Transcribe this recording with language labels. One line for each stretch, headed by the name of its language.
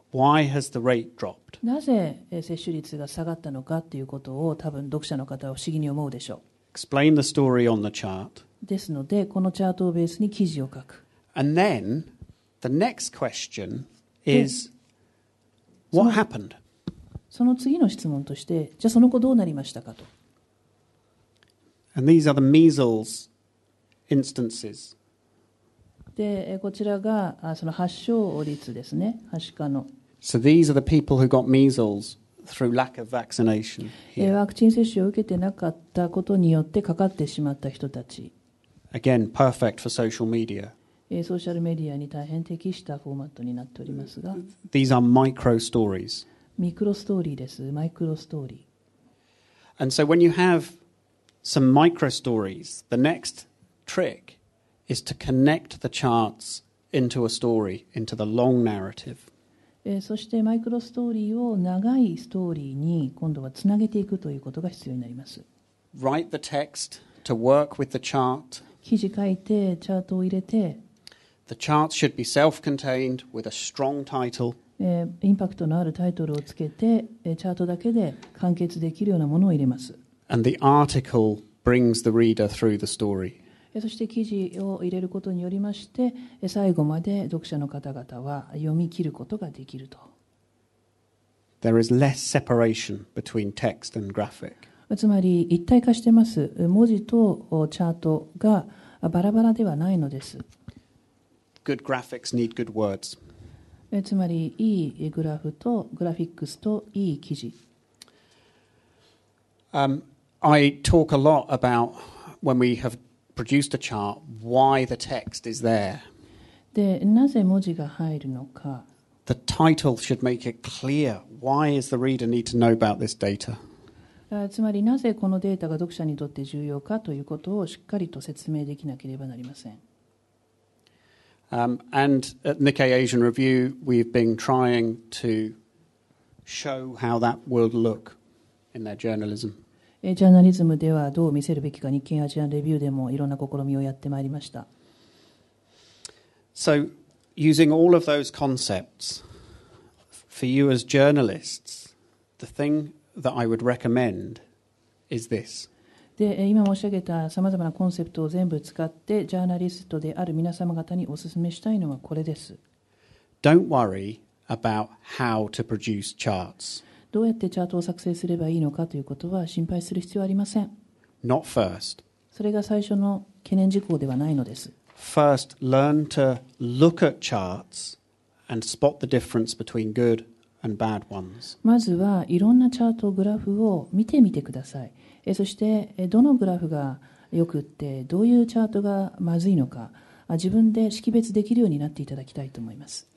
English: Why has the rate dropped?
Japanese: なぜ接種率が下がったのかということを多分読者の方は不思議に思うでしょう。
English: Explain the story on the chart.
Japanese: ですので、このチャートをベースに記事を書く。
English: And then, the next question is, what happened?
Japanese: その次の質問として、じゃあその後どうなりましたかと。
English: And these are the measles instances.
Japanese: で、こちらがその発症率ですね、はしかの。
English: So these are the people who got measles. Through lack of vaccination here.
Japanese: ワクチン接種を受けてなかったことによってかかってしまった人たち。
English: Again, perfect for social media.
Japanese: ソーシャルメディアに大変適したフォーマットになっておりますが。
English: These are micro stories.
Japanese: ミクロストーリーです。マイクロストーリー。
English: And so when you have some micro stories, the next trick is to connect the charts into a story, into the long narrative.
Japanese: そしてマイクロストーリーを長いストーリーに今度はつなげていくということが必要になります。
English: Write the text to work with the chart.
Japanese: 記事書いてチャートを入れて。
English: The charts should be self-contained with a strong title.
Japanese: インパクトのあるタイトルをつけてチャートだけで完結できるようなものを入れます。
English: And the article brings the reader through the story.
Japanese: そして記事を入れることによりまして最後まで読者の方々は読み切ることができると。
English: There is less separation between text and graphic.
Japanese: つまり一体化してます。文字とチャートがバラバラではないのです。
English: Good graphics need good words.
Japanese: つまりいいグラフとグラフィックスといい記事。
English: I talk a lot about when we have produced a chart, why the text is there.
Japanese: で、なぜ文字が入るのか。
English: The title should make it clear. Why does the reader need to know about this data?
Japanese: つまりなぜこのデータが読者にとって重要かということをしっかりと説明できなければなりません。
English: And at Nikkei Asian Review, we've been trying to show how that would look in their journalism.
Japanese: ジャーナリズムではどう見せるべきか、日経アジアンレビューでもいろんな試みをやってまいりました。
English: So, using all of those concepts, for you as journalists, the thingThat I would recommend is this.
Japanese: で、今申し上げたさまざまなコンセプトを全部使って、ジャーナリストである皆様方にお勧めしたいのはこれです。
English: Don't worry about how to produce charts.
Japanese: どうやってチャートを作成すればいいのかということは心配する必要はありません。
English: Not first.
Japanese: それが最初の懸念事項ではないのです。
English: First, learn to look at charts and spot the difference between good. And bad ones.
Japanese: まずはいろんなチャートグラフを見てみてください。そしてどのグラフがよくって、どういうチャートがまずいのか、自分で識別できるようになっていただきたいと思います。